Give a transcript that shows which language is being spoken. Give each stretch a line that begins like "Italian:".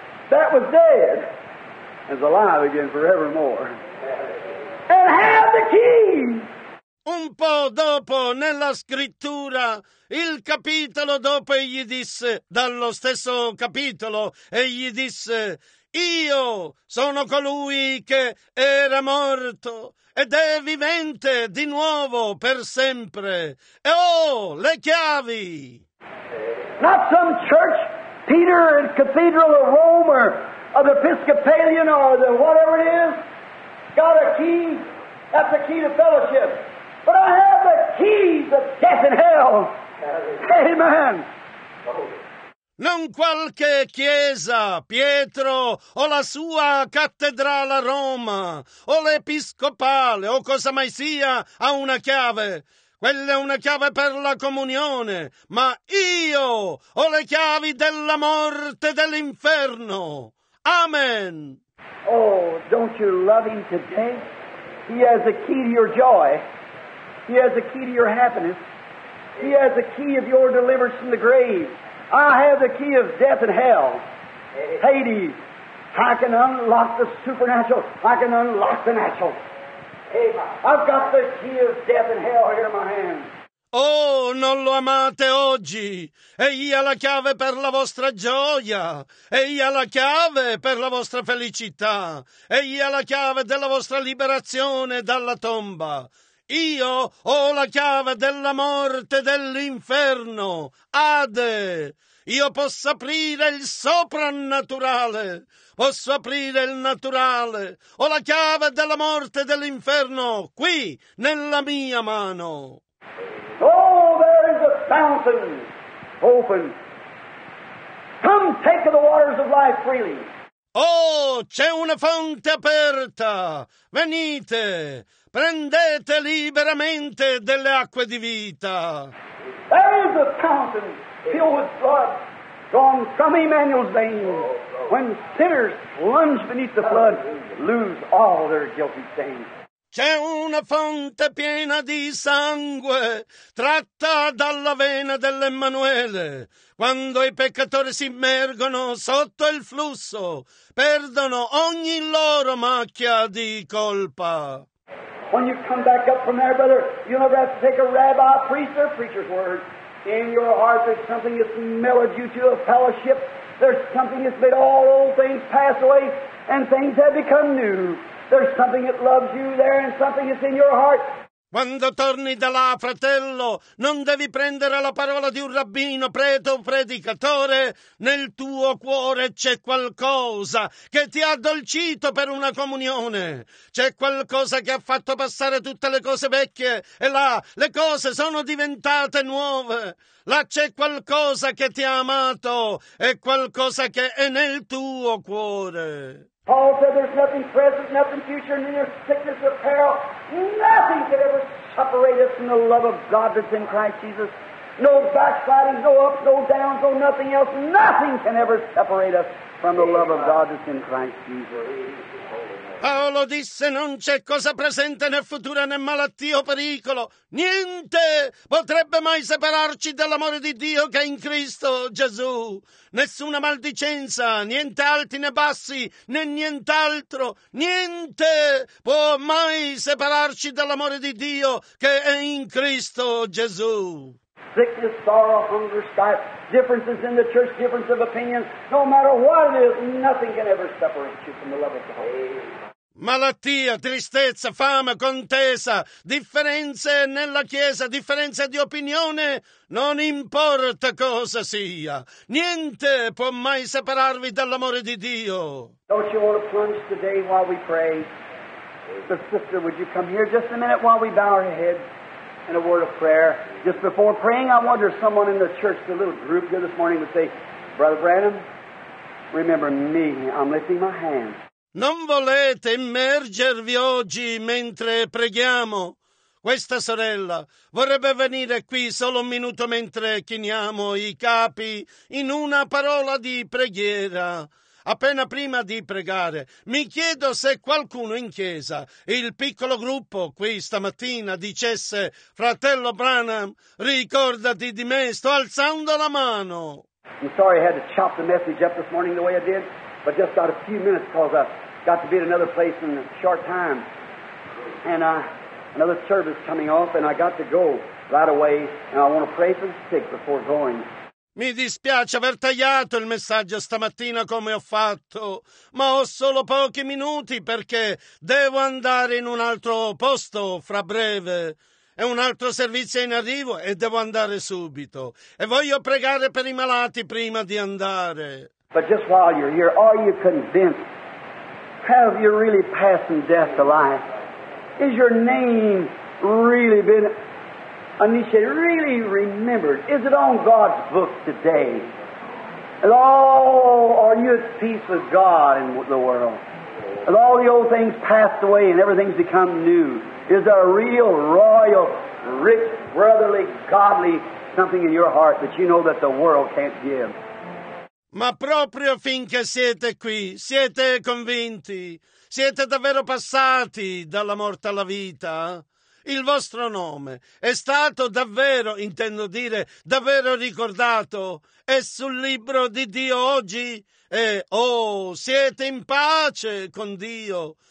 English: That was dead and is alive again forevermore. And have the keys.
Italian: Un po' dopo, nella scrittura, il capitolo dopo, egli disse, dallo stesso capitolo, egli disse: io sono colui che era morto ed è vivente di nuovo per sempre. E ho le chiavi!
English: Not some church, Peter, and Cathedral of Rome, or the Episcopalian, or the whatever it is, got a key. That's the key to fellowship. But I have the keys of death and hell. Amen.
Italian: Non qualche chiesa, Pietro, o la sua cattedrale a Roma, o l'episcopale, o cosa mai sia, ha una chiave. Quella è una chiave per la comunione, ma io ho le chiavi della morte e dell'inferno. Amen.
English: Oh, don't you love him today? He has the key to your joy. He has the key to your happiness. He has the key of your deliverance from the grave. I have the key of death and hell. Hades, I can unlock the supernatural. I can unlock the natural. I've got the key of death and hell here in my hand.
Italian: Oh, non lo amate oggi. Egli ha la chiave per la vostra gioia. Egli ha la chiave per la vostra felicità. Egli ha la chiave della vostra liberazione dalla tomba. Io ho la chiave della morte e dell'inferno. Ade! Io posso aprire il soprannaturale. Posso aprire il naturale. Ho la chiave della morte e dell'inferno qui, nella mia mano.
English: Oh, there is a fountain open. Come take of the waters of life freely.
Italian: Oh, c'è una fonte aperta. Venite. Prendete liberamente delle acque di vita.
English: There is a fountain filled with blood drawn from Emmanuel's veins. When sinners plunge beneath the flood, lose all their guilty stains.
Italian: C'è una fonte piena di sangue tratta dalla vena dell'Emmanuele. Quando i peccatori si immergono sotto il flusso, perdono ogni loro macchia di colpa.
English: When you come back up from there, brother, you'll never have to take a rabbi, priest, or preacher's word. In your heart, there's something that's mellowed you to a fellowship. There's something that's made all old things pass away, and things have become new. There's something that loves you there, and something that's in your heart.
Italian: Quando torni da là, fratello, non devi prendere la parola di un rabbino, prete o predicatore. Nel tuo cuore c'è qualcosa che ti ha addolcito per una comunione. C'è qualcosa che ha fatto passare tutte le cose vecchie e là le cose sono diventate nuove. Là c'è qualcosa che ti ha amato e qualcosa che è nel tuo cuore.
English: Paul said there's nothing present, nothing future, neither sickness or peril. Nothing can ever separate us from the love of God that's in Christ Jesus. No backsliding, no ups, no downs, no nothing else. Nothing can ever separate us from the love of God that's in Christ Jesus.
Italian: Paolo disse: non c'è cosa presente né futura né malattia o pericolo. Niente potrebbe mai separarci dall'amore di Dio che è in Cristo Gesù. Nessuna maldicenza, niente alti né bassi, né nient'altro. Niente può mai separarci dall'amore di Dio che è in Cristo Gesù.
English: Sickness, sorrow, hunger, strife, differences in the church, difference of opinion. No matter what it is, nothing can ever separate you from the love of God.
Italian: Malattia, tristezza, fame, contesa, differenze nella Chiesa, differenze di opinione, non importa cosa sia. Niente può mai separarvi dall'amore di Dio.
English: Don't you want to plunge today while we pray? So, sister, would you come here just a minute while we bow our heads in a word of prayer? Just before praying, I wonder if someone in the church, the little group here this morning, would say, Brother Branham, remember me, I'm lifting my hand.
Italian: Non volete immergervi oggi mentre preghiamo? Questa sorella vorrebbe venire qui solo un minuto mentre chiniamo i capi in una parola di preghiera. Appena prima di pregare, mi chiedo se qualcuno in chiesa, il piccolo gruppo qui stamattina, dicesse: fratello Branham, ricordati di me, sto alzando la mano.
English: I'm sorry I had to chop the message up this morning the way I did. But just got a few minutes because I got to be at another place in a short time. And another service coming off, and I got to go right away, and I want to pray for the sick before going.
Italian: Mi dispiace aver tagliato il messaggio stamattina come ho fatto, ma ho solo pochi minuti perché devo andare in un altro posto fra breve. È un altro servizio in arrivo e devo andare subito. E voglio pregare per i malati prima di andare.
English: But just while you're here, are you convinced? Have you really passed from death to life? Is your name really been initiated, really remembered? Is it on God's book today? And all, are you at peace with God and the world? And all the old things passed away and everything's become new. Is there a real, royal, rich, brotherly, godly something in your heart that you know that the world can't give?
Italian: Ma proprio finché siete qui, siete convinti? Siete davvero passati dalla morte alla vita? Il vostro nome è stato davvero, intendo dire, davvero ricordato? È sul libro di Dio oggi? E, oh, siete in pace con Dio?